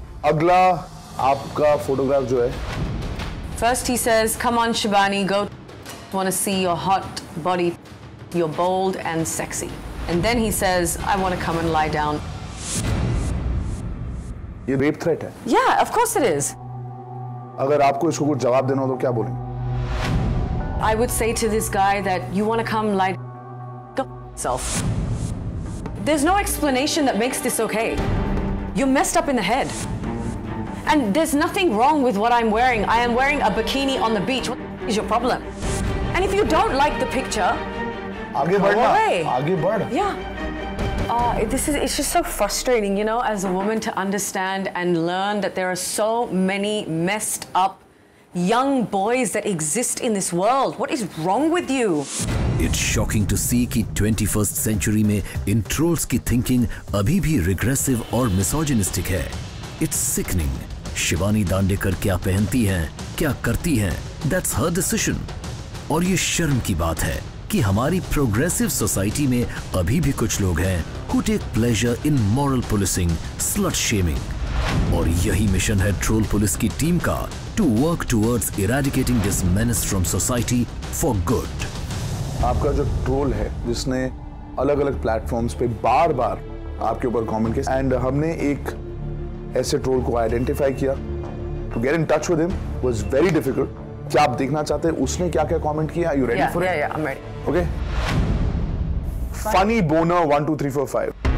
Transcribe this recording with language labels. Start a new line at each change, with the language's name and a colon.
Hindi: Agla, aapka photograph jo hai.
English: First he says, come on, Shivani, go. Want to see your hot body. You're bold and sexy. And then he says, I want to come and lie down.
Hindi: ये rape threat है?
English: Yeah, of course it is.
Hindi: अगर आपको इसको कुछ जवाब देना हो तो क्या बोलेंगे?
English: I would say to this guy that you want to come lie down. Self. There's no explanation that makes this okay. You're messed up in the head. And there's nothing wrong with what I'm wearing. I am wearing a bikini on the beach. What is your problem? And if you don't like the picture,
Hindi: आगे बढ़ना, आगे बढ़.
English: Yeah. This is, it's just so frustrating, you know, as a woman to understand and learn that there are so many messed up young boys that exist in this world. What is wrong with you? It's shocking to see
Hindi: ki 21st century mein in trolls ki thinking abhi bhi
English: regressive
Hindi: aur
English: misogynistic
Hindi: hai.
English: It's sickening.
Hindi: Shivani Dandekar kya pehenti hai, kya karti hai,
English: that's her decision.
Hindi: और ये शर्म की बात है कि हमारी progressive society में अभी भी कुछ लोग हैं
English: who take pleasure in moral policing, slut shaming.
Hindi: और यही मिशन है ट्रोल पुलिस की टीम का,
English: to work towards eradicating this menace from society for good.
Hindi: आपका जो ट्रोल है जिसने अलग अलग प्लेटफॉर्म्स पे बार बार आपके ऊपर कमेंट किए एंड हमने एक ऐसे ट्रोल को आइडेंटिफाई किया.
English: To get in touch with him was very difficult.
Hindi: क्या आप देखना चाहते हैं उसने क्या क्या कॉमेंट किया?
English: You ready for it? या I am ready. Okay, funny boner 1 2 3 4 5.